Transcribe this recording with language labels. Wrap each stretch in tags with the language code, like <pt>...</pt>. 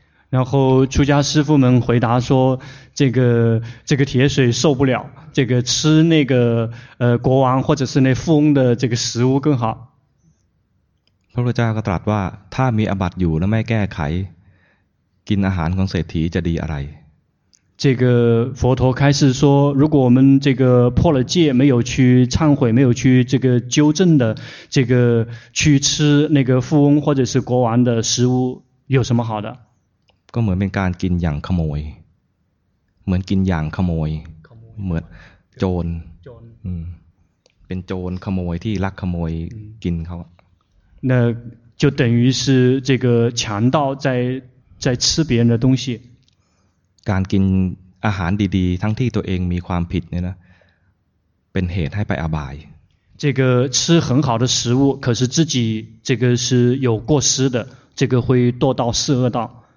<zh>然后出家师父们回答说这个铁水受不了这个吃那个国王或者是那富翁的这个食物更好</zh> <th>พระพุทธเจ้าก็ตรัสว่าถ้ามีอาบัติอยู่แล้วไม่แก้ไขกินอาหารของเศรษฐีจะดีอะไร</th> <zh>这个佛陀开始说如果我们这个破了戒没有去忏悔没有去这个纠正的这个去吃那个富翁或者是国王的食物有什么好的</zh> <th>ก็เหมือนเป็นการกินอย่างขโมยเหมือนกินอย่างขโมยเหมือนโจรเป็นโจรขโมยที่ลักขโมยกินเขา</th> <zh>那就等于是这个强盗在吃别人的东西</zh> <th>การกินอาหารดีๆทั้งที่ตัวเองมีความผิดเนี่ยนะเป็นเหตุให้ไปอบาย</th> <zh>这个吃很好的食物可是自己这个是有过失的这个会堕到四恶道</zh>